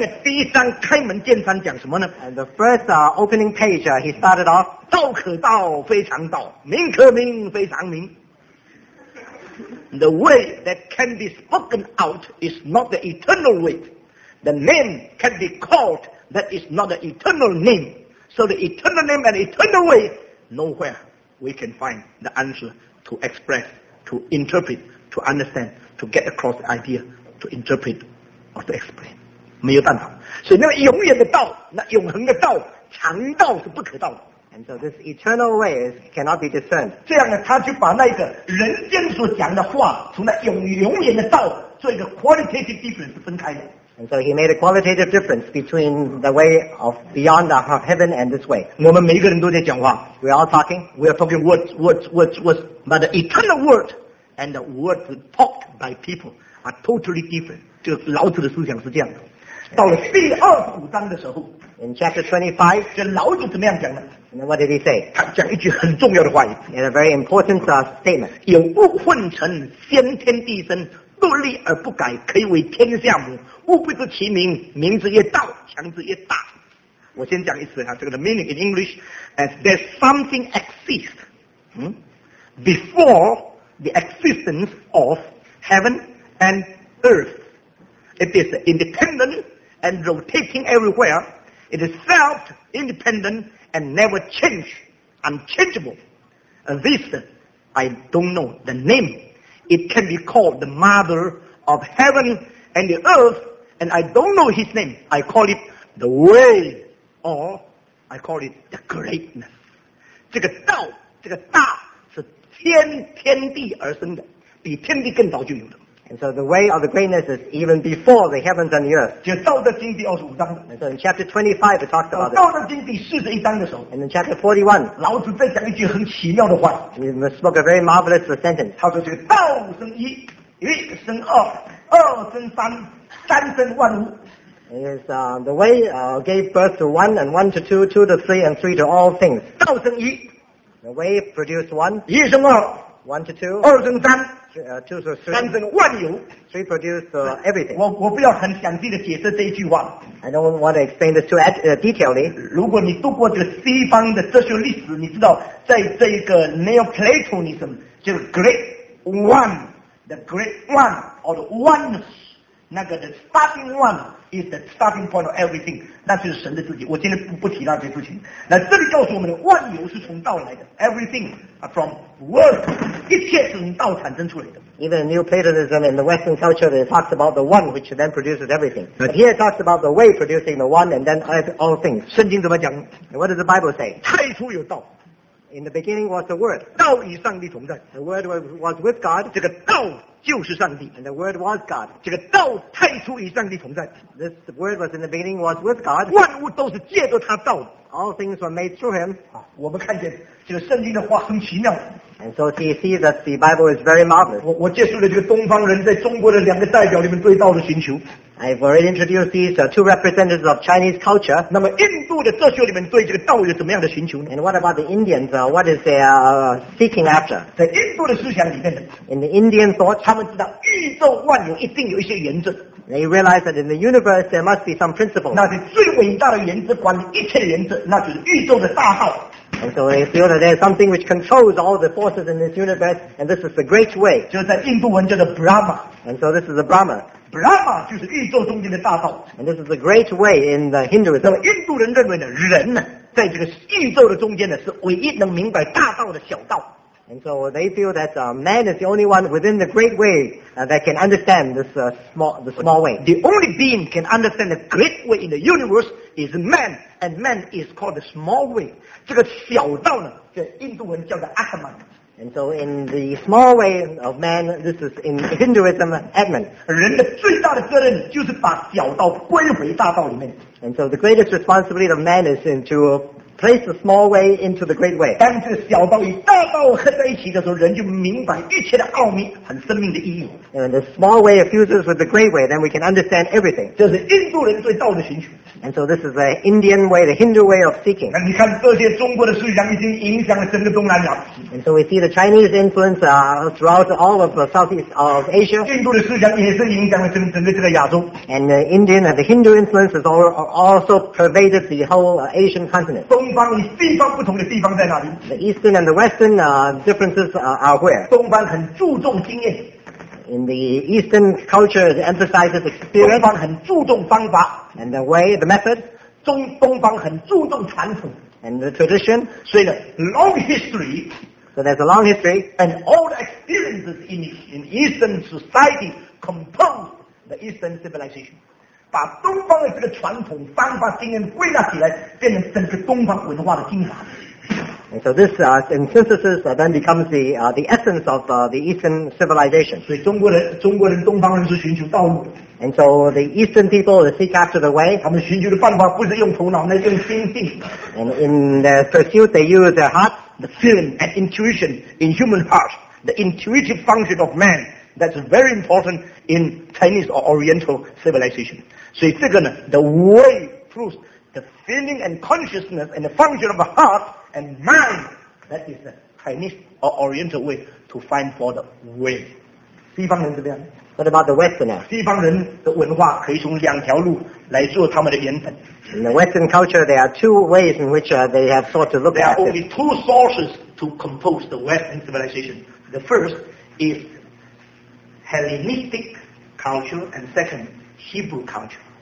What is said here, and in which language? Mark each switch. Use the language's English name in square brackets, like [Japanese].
[Chinese] 那这个道德经的第一章开门见山讲什么呢？ [English] And the first opening page, he started off, [Chinese] 道可道非常道，名可名非常名。 [English] The way that can be spoken out is not the eternal way. The name can be called that is not the eternal name. So the eternal name and eternal way, nowhere we can find the answer to express, to interpret, to understand, to get across the idea, to interpret, or to explain. [Chinese] 没有办法. 所以那个永远的道, 那永恒的道, 长道是不可道的。 [English] And so this eternal way cannot be discerned. [Chinese] 这样呢,他就把那个人间所讲的话,从那永远的道,做一个 [English] qualitative difference [Chinese] 分开的。 [English] And so he made a qualitative difference between the way of beyond the heaven and this way. [Chinese] 我们每一个人都在讲话。 [English] We're all talking. We're talking words. But the eternal word, and the words talked by people are totally different. [Chinese] 这个老子的思想是这样的。到了第二五章的时候 [English] ，In chapter 25， [Chinese] 这老祖怎么样讲的 [English] ？And what did he say？ [Chinese] 他讲一句很重要的话语 [English] ，In a very important statement， [Chinese] 有物混成，先天地生，独立而不改，可以为天下母，物不知其名，名字越大，强字越大。我先讲一次啊，这个的 [English] meaning in English as there's something exists、before the existence of heaven and earth. It is independent and rotating everywhere. It is self-independent and never change, unchangeable. This, I don't know the name. It can be called the mother of heaven and the earth, and I don't know his name. I call it the way. Or I call it the greatness. [Chinese] 这个道，这个大是先天地而生的，比天地更早就有的。 [English] And so the way of the greatness is even before the heavens and the earth. [Chinese] 就《道德经》第二十五章。 [English] And so in chapter 25 it talks about it. [Chinese] 道德经第四十一章的时候。 [English] And in chapter 41, [Chinese] 老子再讲一句很奇妙的话。 [English] He spoke a very marvelous sentence. [Chinese] 他说这个道生一，一生二，二生三，三生万物。 [English] Is the way gave birth to one and one to two, two to three and three to all things. [Chinese] 道生一 [English] The way produced one. [Chinese] 一生二 [English] One to two. [Chinese] 二生三 [English] Two to three. [Chinese] 三生万有 [English] Three produced everything. [Chinese] 我不要很详细的解释这一句话 [English] I don't want to explain this too detailedly. [Chinese] 如果你读过这个西方的哲学历史，你知道在这个 Neoplatonism 就是 [English] Great One, the Great One or the Oneness. [Chinese] 那个 [English] the starting one is the starting point of everything， [Chinese] 那就是神的自己。我今天不提那些事情。那这里告诉我们的万有是从道来的 ， [English] everything from word， [Chinese] 一切是从道产生出来的。 [English] Even in New Platonism in the Western culture, it talks about the one which then produces everything. But here it talks about the way producing the one and then all things. [Chinese] 圣经怎么讲 [English] ？What does the Bible say？ [Chinese] 太初有道。 [English] In the beginning was the word. [Chinese] 道与上帝同在。 [English] The word was with God. [Chinese] 这个道就是上帝。 [English] And the word was God. [Chinese] 这个道太初与上帝同在。 [English] This word was in the beginning was with God. [Chinese] 万物都是借着他道。 [English] All things were made through him. [Chinese] 我们看见这个圣经的话很奇妙。 [English] And so he sees that the Bible is very marvelous. [Chinese] 我接触了这个东方人在中国的两个代表里面对道的寻求。 [English] I've already introduced these two representatives of Chinese culture. [Chinese] 那么印度的哲学里面对这个道有怎么样的寻求呢 [English] ？And what about the Indians? What is their seeking after? [Chinese] 在印度的思想里面呢 [English] ？In the Indian thought, [Chinese] 他们知道宇宙万有一定有一些原则。 [English] They realize that in the universe there must be some principle. [Chinese] 那是最伟大的原则，管理一切原则，那就是宇宙的大号。 [English] And so they feel that there is something which controls all the forces in this universe, and this is the great way. [Chinese] 就在印度文叫做 Brahma. [English] And so this is the Brahma. [Chinese] Brahma 就是宇宙中间的大道 [English] ，and this is the great way in the Hinduism. [Chinese] 那么印度人认为呢，人呢在这个宇宙的中间呢是唯一能明白大道的小道 [English] ，and so they feel that man is the only one within the great way that can understand this small way. The only being can understand the great way in the universe is man, and man is called the small way. [Chinese] 这个小道呢，这印度人叫做 Ahman。 [English] And so in the small way of man, this is in Hinduism, Atman. [Chinese] 人的最大的责任就是把小道归回大道里面。 [English] And so the greatest responsibility of man is to place the small way into the great way. [Chinese] 当这个小道与大道合在一起的时候，人就明白一切的奥秘和生命的意义。 [English] And when the small way fuses with the great way, then we can understand everything. [Chinese] 这是印度人对道的寻求。 [English] And so this is the Indian way, the Hindu way of seeking. [Chinese] 你看这些中国的思想已经影响了整个东南亚。 [English] And so we see the Chinese influence throughout all of the Southeast of Asia. [Chinese] 印度的思想也是影响了整个这个亚洲。 [English] And the Indian and the Hindu influence has also pervaded the whole Asian continent. [Chinese] 东方与西方不同的地方在哪里 [English] ？The Eastern and the Western differences are where? [Chinese] 东方很注重经验。 [English] In the Eastern culture, it emphasizes experience. [Chinese] 东方很注重方法。 [English] And the way, the method. [Chinese] 东方很注重传统。 [English] And the tradition. [Chinese] 所以呢 [English] long history. So there's a long history. And all the experiences in Eastern society compose the Eastern civilization. [Chinese] 把东方的这个传统方法经验归纳起来，变成整个东方文化的精华。 [English] And so this, in synthesis, then becomes the essence of the Eastern civilization. [Chinese] 所以中国人东方人是寻求道路。 [English] And so the Eastern people seek after the way. [Chinese] 他们寻求的办法不是用头脑，那是用心性。 [English] And in their pursuit, they use their heart, the feeling and intuition in human heart, the intuitive function of man That's very important in Chinese or Oriental civilization. [Chinese] 所以这个呢 [English] the way proves the feeling and consciousness and the function of the heart and mind. That is the Chinese or Oriental way to find for the way. [Chinese] 西方人这边 [English] What about the Westerner? [Chinese] 西方人的文化可以从两条路来做他们的原本。 [English] In the Western culture, there are two ways in which they have thought to look there at it. There are only two sources to compose the Western civilization. The first is Hellenistic culture, and second, Hebrew culture.